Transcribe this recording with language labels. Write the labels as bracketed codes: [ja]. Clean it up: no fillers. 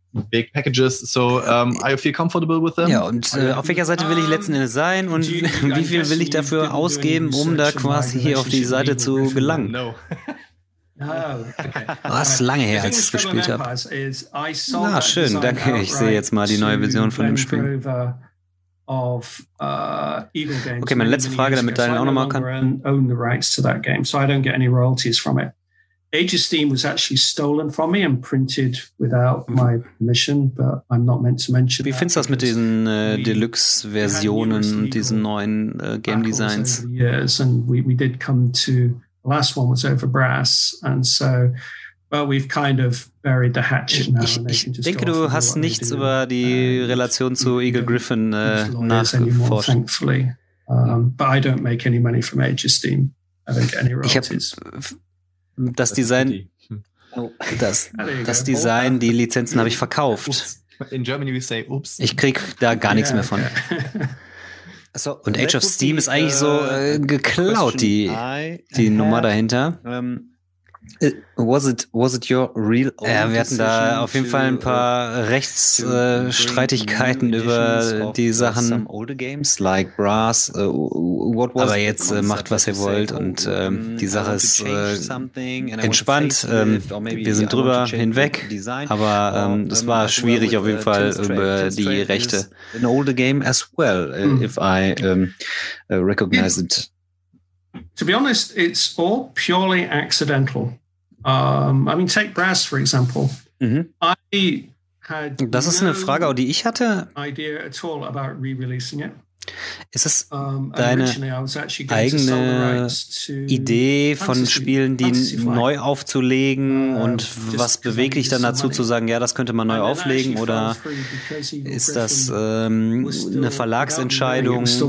[en] Big packages, so I feel comfortable with them. [de] Ja, und auf welcher Seite will ich letzten Endes sein und wie viel will ich dafür ausgeben, um da quasi hier auf die Seite zu gelangen? Oh, okay. Was lange her, als ich es gespielt habe. Na, schön, danke. Ich sehe jetzt mal die neue Vision von dem Spiel. Okay, meine letzte Frage, damit Daniel auch nochmal kann. [en] Own the rights to that game, so I don't get any royalties from it. Age of Steam was actually stolen from me and printed without my permission, but I'm not meant to mention. [de] Wie findest du das mit diesen Deluxe-Versionen und diesen neuen Game Designs? [en] Yes, and we did come to. Last one was over brass, and so, well, we've kind of buried the hatchet now. [de] Ich denke, du hast nichts über die Relation zu Eagle Griffin nachgeforscht. [en] Thankfully, but I don't make any money from Age of Steam. I don't get any royalties. [de] Das Design, das Design, die Lizenzen habe ich verkauft. [en] In Germany we say, oops. [de] Ich krieg da gar nichts mehr von. So, und Age of Steam ist eigentlich so geklaut, die Nummer dahinter. [en] Was it your real own decision? [de] Wir hatten da auf jeden Fall ein paar Rechtsstreitigkeiten über die Sachen. [en] Some older games like Brass. What was [de] aber jetzt macht, was ihr wollt, und die Sache ist entspannt. Wir sind drüber hinweg, aber es war schwierig auf jeden Fall über die Rechte. [en] An older game as well, if I recognize it. To be honest, it's all purely accidental. I mean, take Brass, for example. Mm-hmm. I had [de] das ist eine Frage, die ich hatte. [en] Idea at all about re-releasing it. [de] Ist es deine eigene Idee von Spielen, die neu aufzulegen, und was bewegt dich dann dazu zu sagen, ja, das könnte man neu auflegen, oder ist das eine Verlagsentscheidung?